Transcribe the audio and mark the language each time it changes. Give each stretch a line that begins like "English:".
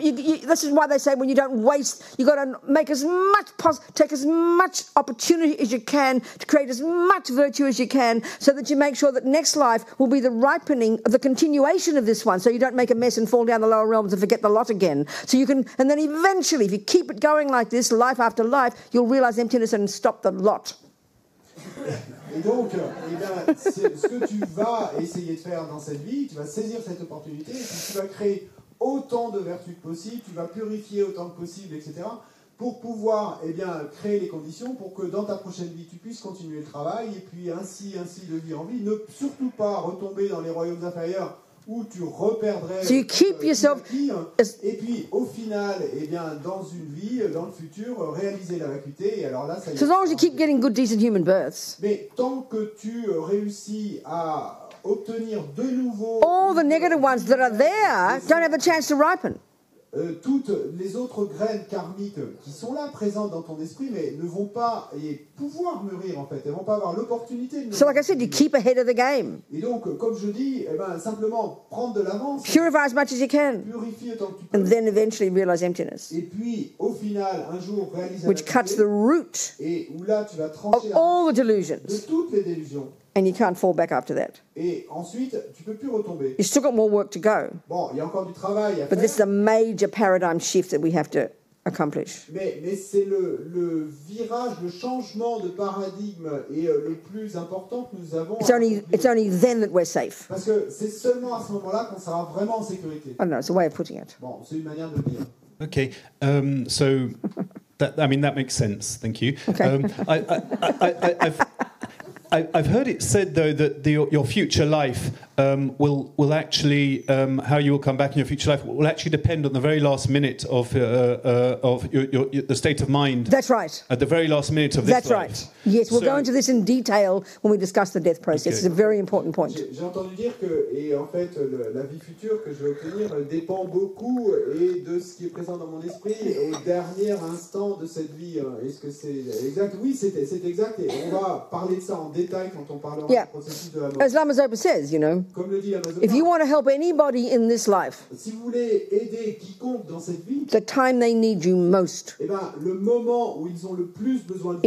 English: This is why they say when you don't waste, you got to make as much take as much opportunity as you can to create as much virtue as you can, so that you make sure that next life will be the ripening, the continuation of this one. So you don't make a mess and fall down the lower realms and forget the lot again. So you can, and then eventually, if you keep it going like this, life after life, you'll realize emptiness and stop the lot.
French: Et donc, ce que tu vas essayer de faire dans cette vie, tu vas saisir cette opportunité, tu vas créer autant de vertus que possible, tu vas purifier autant que possible, etc., pour pouvoir créer les conditions pour que dans ta prochaine vie, tu puisses continuer le travail, et puis ainsi de vie en vie, ne surtout pas retomber dans les royaumes inférieurs où tu reperdrais
English: so you keep yourself vie,
French: et puis au final, dans une vie, dans le futur, réaliser la vacuité, et alors là, ça y est.
English: So long as you keep getting good, decent human births.
French: Mais tant que tu réussis à obtenir de nouveau...
English: All the negative ones that are there don't have a chance to ripen.
French: Toutes les autres graines karmiques qui sont là, présentes dans ton esprit, mais ne vont pas pouvoir mûrir, en fait. Elles ne vont pas avoir l'opportunité de mûrir.
English: So like I said, you keep ahead of the game.
French: Et donc, comme je dis, simplement prendre de l'avance.
English: Purify as much as you can.
French: Purifie autant que tu peux.
English: And then eventually realize emptiness.
French: Et puis, au final, un jour, réalise
English: which cuts the root
French: et où là, tu vas trancher
English: of all the delusions.
French: De toutes les délusions.
English: And you can't fall back after that.
French: Et ensuite, tu peux plus retomber.
English: You've still got more work to go.
French: Bon, il y a encore du travail à
English: but
French: faire.
English: This is a major paradigm shift that we have to accomplish.
French: Mais c'est le virage, le changement de paradigme et le plus important que nous avons.
English: It's only then that we're safe.
French: Parce que c'est seulement à ce moment-là qu'on sera vraiment en sécurité.
English: I don't know, it's a way of putting it.
French: Bon, c'est une manière de le dire.
English: Okay, so that makes sense. Thank you. Okay. I've heard it said though that your future life will actually how you will come back in your future life will actually depend on the very last minute of your the state of mind. That's right. At the very last minute of this that's life. Right. Yes, we'll go into this in detail when we discuss the death process. Okay. It's a very important point.
French: J'ai entendu dire que et en fait la vie future que je vais obtenir dépend beaucoup et de ce qui est présent dans mon esprit au dernier instant de cette vie. Est-ce que c'est exact? Oui, c'est exact. Et on va parler de ça en détail quand on parlera du processus de la mort.
English: As Lama Zopa says, you know. If you want to help anybody in this life,
French: si vous voulez aider quiconque dans cette vie,
English: the time they need you most
French: le moment où ils ont le plus besoin de